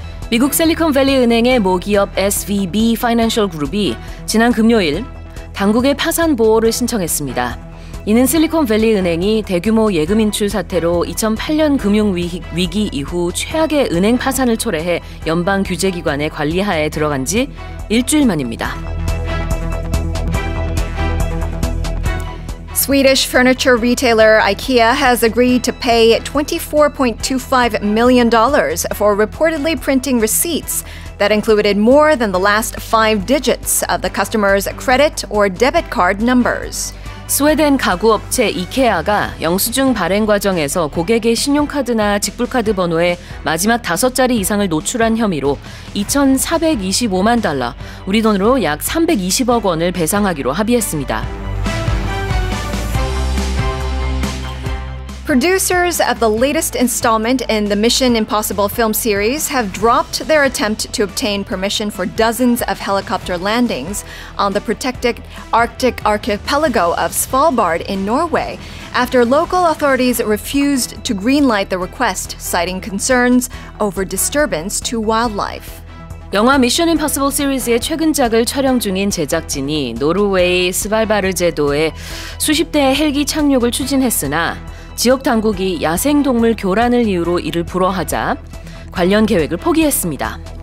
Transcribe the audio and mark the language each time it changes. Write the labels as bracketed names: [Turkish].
[Korean] 미국 실리콘밸리 은행의 모 기업 SVB Financial Group이 지난 금요일 당국의 파산 보호를 신청했습니다. 이는 실리콘밸리 은행이 대규모 예금 인출 사태로 2008년 금융위기 이후 최악의 은행 파산을 초래해 연방 규제기관의 관리하에 들어간 지 일주일 만입니다. [English] Swedish furniture retailer IKEA has agreed to pay $24.25 million for reportedly printing receipts that included more than the last five digits of the customer's credit or debit card numbers. [Korean] 스웨덴 가구 업체 이케아가 영수증 발행 과정에서 고객의 신용카드나 직불카드 번호에 마지막 다섯 자리 이상을 노출한 혐의로 2,425만 달러, 우리 돈으로 약 320억 원을 배상하기로 합의했습니다. [English] Producers of the latest installment in the Mission Impossible film series have dropped their attempt to obtain permission for dozens of helicopter landings on the protected Arctic archipelago of Svalbard in Norway after local authorities refused to greenlight the request, citing concerns over disturbance to wildlife. [Korean] 영화 미션 임파서블 시리즈의 최근작을 촬영 중인 제작진이 노르웨이 스발바르 제도에 수십 대의 헬기 착륙을 추진했으나 지역 당국이 야생동물 교란을 이유로 이를 불허하자 관련 계획을 포기했습니다.